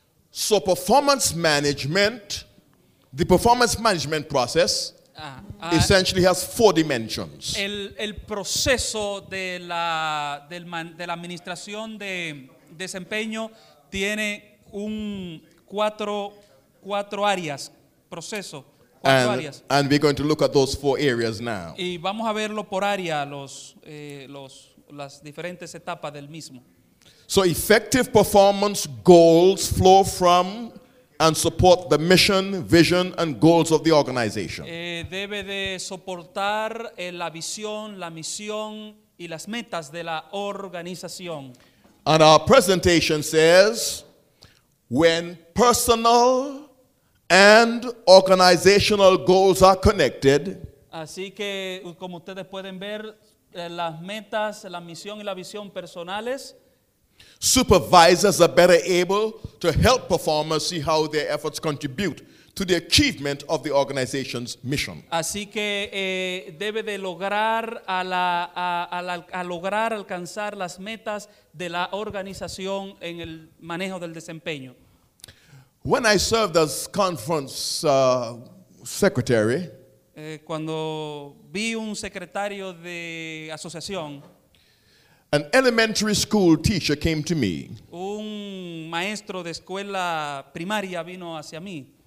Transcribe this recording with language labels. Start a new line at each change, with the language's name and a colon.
English: So, performance management. The performance management process essentially has four dimensions.
Spanish: El proceso de la administración de desempeño tiene cuatro áreas. Proceso, cuatro áreas.
English: And we're going to look at those four areas now.
Spanish: Y vamos a verlo por área, las diferentes etapas del mismo.
English: So effective performance goals flow from and support the mission, vision, and goals of the organization.
Spanish: Debe de soportar la visión, la misión y las metas de la organización.
English: And our presentation says, when personal and organizational goals are connected.
Spanish: Así que, como ustedes pueden ver, las metas, la misión y la visión personales.
English: Supervisors are better able to help performers see how their efforts contribute to the achievement of the organization's mission.
Spanish: Así que debe de lograr a lograr alcanzar las metas de la organización en el manejo del desempeño.
English: When I served as conference secretary,
Spanish: cuando vi un secretario de asociación.
English: An elementary school teacher came to me.
Spanish: Un maestro de escuela primaria vino hacia mí.